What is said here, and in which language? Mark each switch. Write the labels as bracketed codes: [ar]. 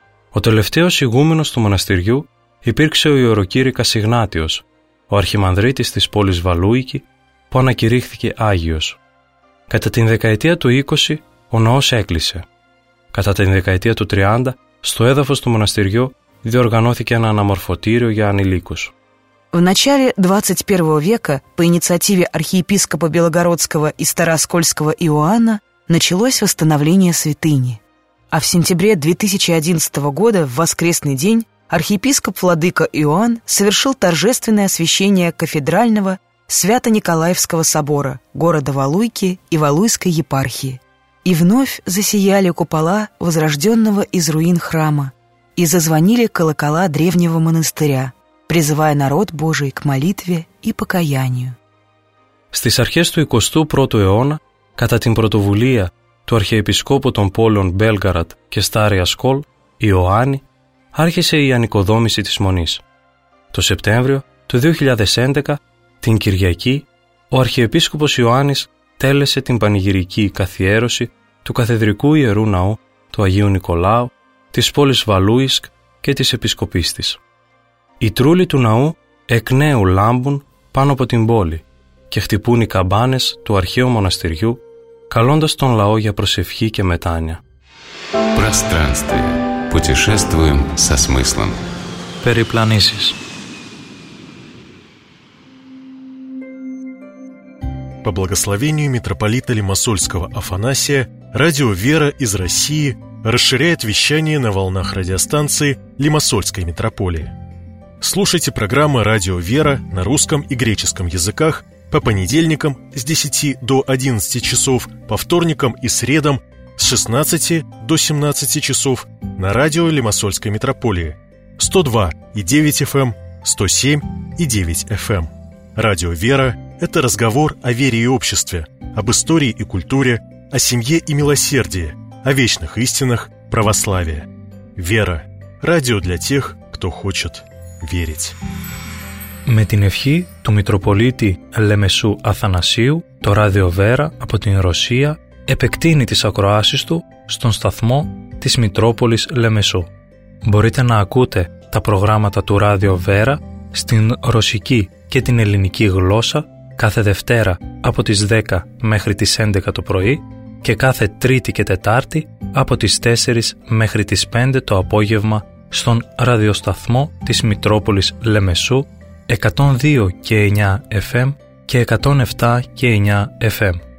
[el] Ο τελευταίος ηγούμενος του μοναστηριού υπήρξε ο Ιεροκήρυκας Ιγνάτιος, ο αρχιμανδρίτης της πόλης Βαλούικη, που ανακηρύχθηκε Άγιος. Κατά την δεκαετία του 20, ο ναός έκλεισε. Κατά την δεκαετία του 30, στο έδαφος του μοναστηριού διοργανώθηκε ένα αναμορφωτήριο για ανηλίκους. [ru] В начале 21 века по инициативе архиепископа Белогородского и Староскольского Иоанна началось восстановление святыни. А в сентябре 2011 года, в воскресный день, архиепископ Владыка Иоанн совершил торжественное освящение кафедрального Свято-Николаевского собора, города Валуйки и Валуйской епархии. И вновь засияли купола возрожденного из руин храма, и зазвонили колокола древнего монастыря, призывая народ Божий к молитве и покаянию. [el] Στις αρχές του 21ου αιώνα, κατά την πρωτοβουλία του αρχιεπισκόπου των πόλεων Μπέλγαραντ και Στάρια Σκόλ, Ιωάννη, άρχισε η ανοικοδόμηση της Μονής. Το Σεπτέμβριο του 2011, την Κυριακή, ο αρχιεπίσκοπος Ιωάννης τέλεσε την πανηγυρική καθιέρωση του καθεδρικού Ιερού Ναού του Αγίου Νικολάου, της πόλης Βαλούισκ και της Επισκοπής της. Οι τρούλοι του ναού εκ νέου λάμπουν πάνω από την πόλη και χτυπούν οι καμπάνες του αρχαίου μοναστηριού, καλώντας τον λαό για προσευχή και μετάνοια. [ru] Пространство. Путешествуем со смыслом. [el] Περιπλανήσεις. [ru] По благословению митрополита Лимассольского Афанасия Радио «Вера» из России расширяет вещание на волнах радиостанции Лимассольской метрополии. Слушайте программы «Радио «Вера» на русском и греческом языках по понедельникам с 10 до 11 часов, по вторникам и средам с 16 до 17 часов на радио Лимассольской метрополии 102.9 FM, 107.9 FM. Радио «Вера» – это разговор о вере и обществе, об истории и культуре, о семье и милосердии, о вечных истинах православия. «Вера» – радио для тех, кто хочет верить. [el] Με την ευχή του Μητροπολίτη Λεμεσού Αθανασίου, το Ράδιο Βέρα από την Ρωσία επεκτείνει τις ακροάσεις του στον σταθμό της Μητρόπολης Λεμεσού. Μπορείτε να ακούτε τα προγράμματα του Ράδιο Βέρα στην ρωσική και την ελληνική γλώσσα κάθε Δευτέρα από τις 10 μέχρι τις 11 το πρωί και κάθε Τρίτη και Τετάρτη από τις 4 μέχρι τις 5 το απόγευμα στον ραδιοσταθμό της Μητρόπολης Λεμεσού 102 και 9 FM και 107 και 9 FM.